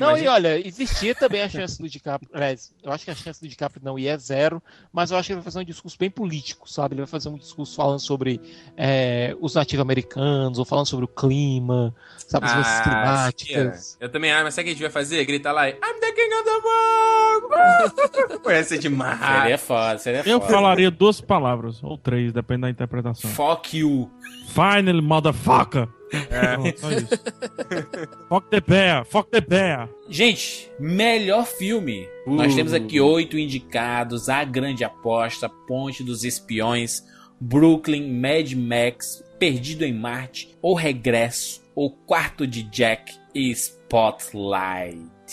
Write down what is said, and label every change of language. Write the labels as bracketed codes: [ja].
[pt] não, imagina. E olha, existia também a chance do DiCaprio. Eu acho que a chance do DiCaprio não ia é zero, mas eu acho que ele vai fazer um discurso bem político, sabe? Ele vai fazer um discurso falando sobre os nativo-americanos, ou falando sobre o clima, sabe? As coisas climáticas. Eu também acho, mas sabe o que a gente vai fazer? Gritar lá, [en] I'm the king of the world! [pt] Ia ser demais. Seria foda, seria foda. Eu falaria duas palavras, ou três, depende da interpretação. [en] Fuck you. Finally, motherfucker! Fuck the bear, fuck the bear. [pt] Gente, melhor filme. Nós temos aqui 8 indicados: A Grande Aposta, Ponte dos Espiões, Brooklyn, Mad Max, Perdido em Marte, O Regresso, O Quarto de Jack e Spotlight.